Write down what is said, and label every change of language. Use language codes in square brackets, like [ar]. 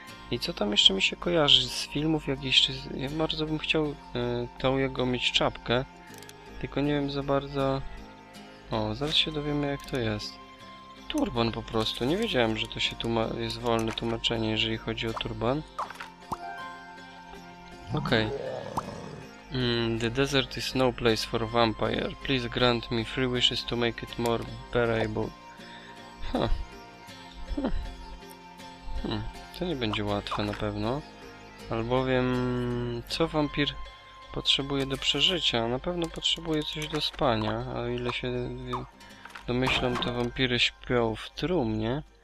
[pl] I co tam jeszcze mi się kojarzy z filmów jakichś, czy... Ja bardzo bym chciał tą jego mieć czapkę. Tylko nie wiem za bardzo... O, zaraz się dowiemy, jak to jest. Turban po prostu. Nie wiedziałem, że to się jest wolne tłumaczenie, jeżeli chodzi o turban. Okej. [en] The desert is no place for vampire. Please grant me three wishes to make it more bearable. [pl] To nie będzie łatwe na pewno. Albowiem, co wampir potrzebuje do przeżycia? Na pewno potrzebuje coś do spania. A o ile się domyślam, to wampiry śpią w trumnie.